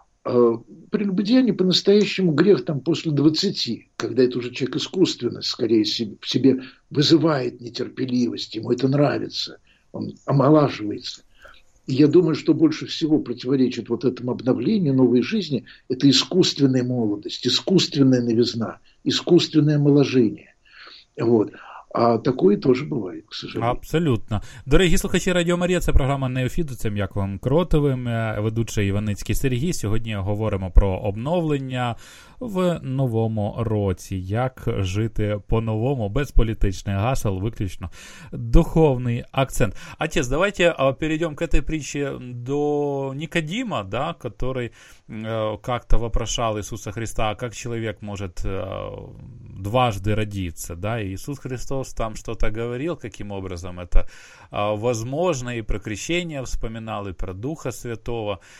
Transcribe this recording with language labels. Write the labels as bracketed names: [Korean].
[Russian] А прелюбодеяние по-настоящему грех там после 20, когда это уже человек искусственно, скорее в себе вызывает нетерпеливость, ему это нравится, он омолаживается. И я думаю, что больше всего противоречит вот этому обновлению новой жизни – это искусственная молодость, искусственная новизна, искусственное омоложение. Вот. А такое тоже буває, к сожалению. Абсолютно. [Ukrainian] Дорогі слухачі Радіо Марія, це програма «Неофіт», це Яковим Кротовим, ведучий Іваницький Сергій. Сьогодні говоримо про обновлення в новому році. Як жити по-новому, без політичних гасел, виключно духовний акцент. [Russian] А тіс, давайте перейдемо к этой [Ukrainian] притчі до Нікодима, [Russian] да, который как-то вопрошал Иисуса Христа, как человек может дважды родиться, да, и Иисус Христос там что-то говорил, каким образом это возможно, и про крещение вспоминал, и про Духа Святого.